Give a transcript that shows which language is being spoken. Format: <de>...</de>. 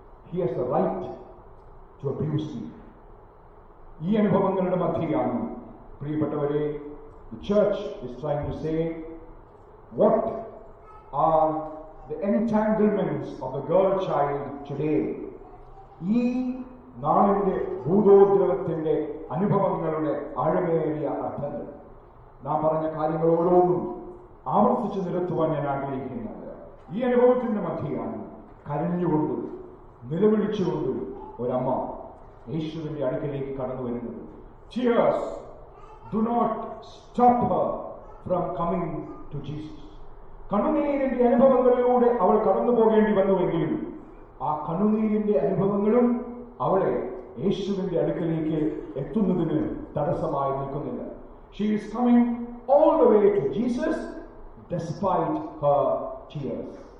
<en>He has the right to abuse me.</en> <ml>Ee anubhavangalude madhyeyanu priyappettavare,</ml> <en>the church is trying to say, what are the entanglements of the girl child today?</en> <ml>ഈ നാളിന്റെ ഭൂതോദ്രവത്തിന്റെ അനുഭവങ്ങളുടെ ആഴമേറിയ അർത്ഥങ്ങൾ, നാം പറഞ്ഞ കാര്യങ്ങൾ ഓരോന്നും ആവർത്തിച്ചു നിർത്തുവാൻ ഞാൻ ആഗ്രഹിക്കുന്നത്. ഈ അനുഭവത്തിന്റെ മധ്യയാണ് കരഞ്ഞുകൊണ്ട് നിലവിളിച്ചുകൊണ്ട് ഒരമ്മ യേശുവിന്റെ അടുക്കലേക്ക് കടന്നു വരുന്നത്.</ml> <en>tears do not stop her from coming to Jesus.</en> <ml>കണ്ണുനീരിന്റെ അനുഭവങ്ങളിലൂടെ അവൾ കടന്നു പോകേണ്ടി വന്നുവെങ്കിലും ആ കണ്ണുനീരിന്റെ അനുഭവങ്ങളും അവളെ യേശുവിന്റെ അടുക്കലേക്ക് എത്തുന്നതിന് തടസ്സമായി നിൽക്കുന്നില്ല.</ml> <en>She is coming all the way to Jesus despite her tears.</en>